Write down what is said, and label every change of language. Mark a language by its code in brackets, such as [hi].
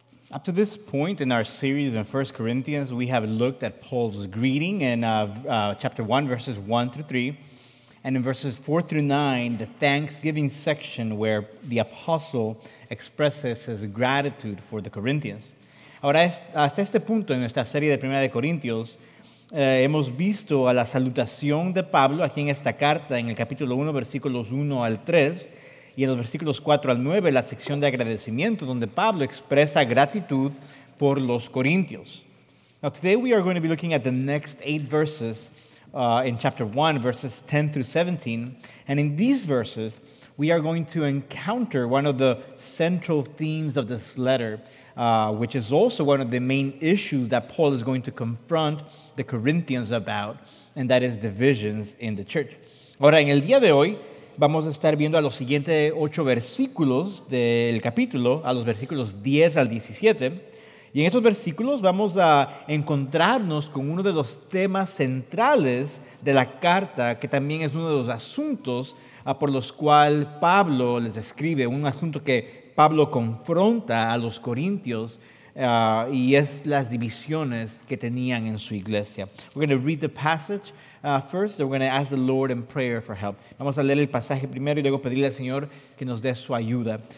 [en] Up to this point in our series in 1 Corinthians, we have looked at Paul's greeting in chapter 1, verses 1 through 3, and in verses 4 through 9, the thanksgiving section where the apostle expresses his gratitude for the Corinthians. [es] Ahora, hasta este punto en nuestra serie de Primera de Corintios, hemos visto a la salutación de Pablo aquí en esta carta, en el capítulo 1, versículos 1 al 3, y en los versículos 4 al 9, la sección de agradecimiento, donde Pablo expresa gratitud por los corintios. [en] Now, today we are going to be looking at the next 8 verses in chapter 1, verses 10 through 17. And in these verses, we are going to encounter one of the central themes of this letter, which is also one of the main issues that Paul is going to confront the Corinthians about, and that is divisions in the church. [es] Ahora, en el día de hoy, vamos a estar viendo a los siguientes 8 versículos del capítulo, a los versículos 10 al 17. Y en estos versículos vamos a encontrarnos con uno de los temas centrales de la carta, que también es uno de los asuntos por los cuales Pablo les escribe, un asunto que Pablo confronta a los corintios, y es las divisiones que tenían en su iglesia. [en] We're going to read the passage. First, we're going to ask the Lord in prayer for help. [es] Vamos a leer el pasaje primero y luego pedirle al Señor que nos dé su ayuda.